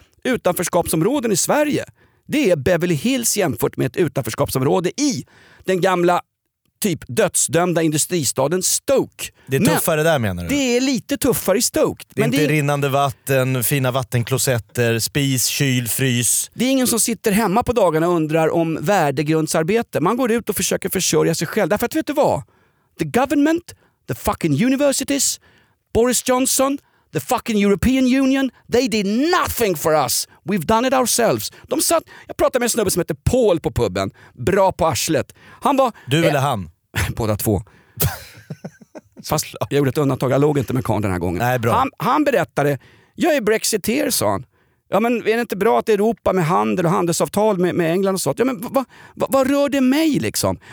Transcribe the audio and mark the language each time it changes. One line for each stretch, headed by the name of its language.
Swedish: Utanförskapsområden i Sverige, det är Beverly Hills jämfört med ett utanförskapsområde i den gamla typ dödsdömda industristaden Stoke. Det är tuffare där, menar du? Det är lite tuffare i Stoke. Det är inte rinnande vatten, fina vattenklosetter, spis, kyl, frys. Det är ingen som sitter hemma på dagarna och undrar om värdegrundsarbete. Man går ut och försöker försörja sig själv. Därför att, vet du vad?
English: The government, the fucking universities, Boris Johnson, the fucking European Union, they did nothing for us. We've done it ourselves.
Swedish: De satt, jag pratade med en snubbe som heter Paul på puben. Bra på arslet. Han var... Du eller han? Båda två. Fast jag gjorde ett undantag. Jag låg inte med Karl den här gången. Nej, bra. Han berättade, jag är brexiteer, sa han. Ja, men är det inte bra att Europa med handel och handelsavtal med England och sånt? Ja, men vad rör det mig liksom?